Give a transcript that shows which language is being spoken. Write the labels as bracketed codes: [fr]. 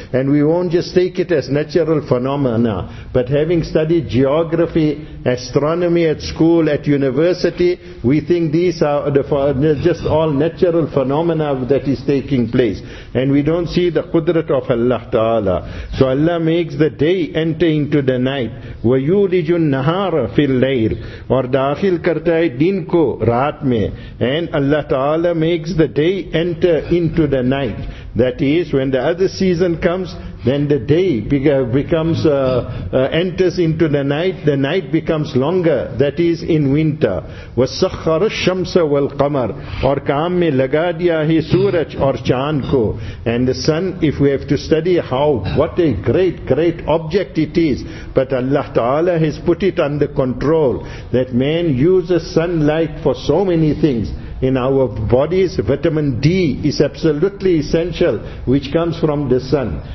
[en] And we won't just take it as natural phenomena. But having studied geography, astronomy at school, at university, we think these are just all natural phenomena that is taking place. And we don't see the Qudrat of Allah Ta'ala. So Allah makes the day enter into the night. [ar] وَيُولِجُ النَّهَارَ فِي اللَّيْلِ [ur] اور داخل کرتا ہے دن کو رات میں. [en] And Allah Ta'ala makes the day enter into the night. That is, when the other season comes, then the day enters into the night. The night becomes longer. That is in winter. [ar] وَسَخَّرَ الشَّمْسَ وَالْقَمَرَ [ur] اور کام میں لگا دیا ہے سورج اور چاند کو. [en] And the sun, if we have to study how, what a great, great object it is. But Allah Ta'ala has put it under control. That man uses sunlight for so many things. In our bodies, vitamin D is absolutely essential, which comes from the sun.